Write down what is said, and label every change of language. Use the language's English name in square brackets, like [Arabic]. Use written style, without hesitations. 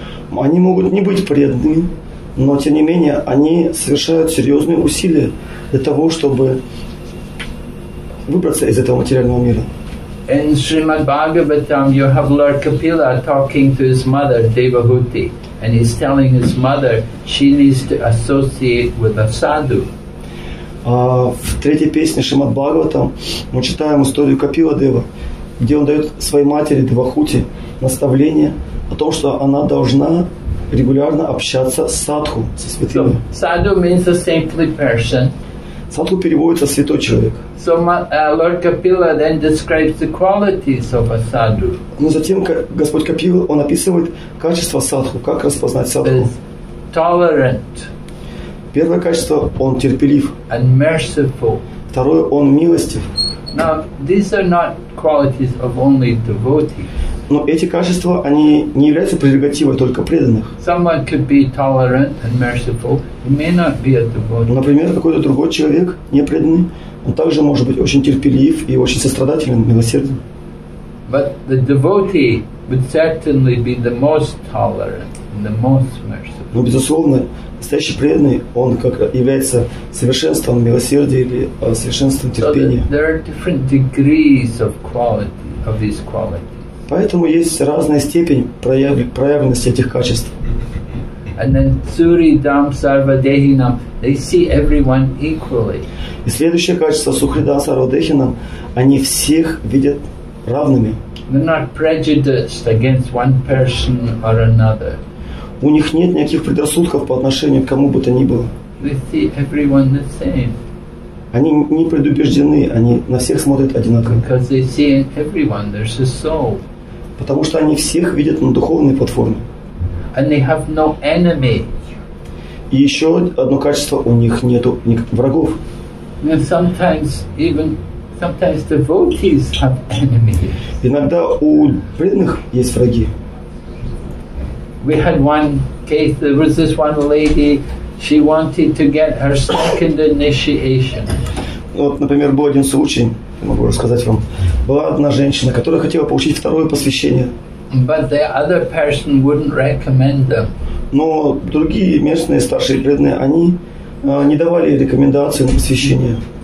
[Russian] Они могут не быть преданными, но тем не менее они совершают серьезные усилия для того, чтобы выбраться из этого материального мира. [English] In Srimad Bhagavatam you have Lord Kapila talking to his mother Devahuti, and he's telling his mother she needs to associate with a sadhu. [Russian] В третьей песне Шримад Бхагаватам мы читаем историю Капила Дева, где он дает своей матери Девахути наставление о том, что она должна регулярно общаться с садху, со святыми. [English] Sadhu means a saintly person. [Russian] Садху переводится «святой человек». [English] So Lord Kapila then describes the qualities of a sadhu. [Russian] Но затем Господь Капила, он описывает качество садху, как распознать садху. [English] Is tolerant. [Russian] Первое качество – он терпелив. [English] And merciful. [Russian] Второе – он милостив. [English] Now, these are not qualities of only devotees. [Russian] Но эти качества, они не являются прерогативой только преданных. [English] Someone could be tolerant and merciful. He may not be a devotee. [Russian] Например, какой-то другой человек, непреданный, он также может быть очень терпелив и очень сострадателен, милосерден. [English] But the devotee would certainly be the most tolerant and the most merciful. [Russian] Но, безусловно, настоящий преданный, он как является совершенством милосердия или совершенством терпения. [English] So there are different degrees of quality, of these qualities. [Russian] Поэтому есть разная степень проявленности этих качеств. [English] And then Suri Dam Sarvadehinam, they see everyone equally. [Russian] И следующее качество Сухридам Сарвадехинам, они всех видят равными. [English] They're not prejudiced against one person or another. [Russian] У них нет никаких предрассудков по отношению к кому бы то ни было. [English] They see everyone the same. [Russian] Они не предубеждены, они на всех смотрят одинаково. [English] Because they see in everyone there's a soul. [Russian] Потому что они всех видят на духовной платформе. [English] And they have no enemy. [Russian] И еще одно качество, у них нету никаких врагов. [English] Sometimes devotees have enemies. [Russian] Иногда у преданных есть враги. [English] We had one case, there was this one lady, she wanted to get her second initiation. [Russian] Вот, например, был один случай. Могу рассказать вам. Была одна женщина, которая хотела получить второе посвящение. [English] But the other person wouldn't recommend them. [Russian] Но другие местные старшие преданные, они не давали рекомендации на посвящение.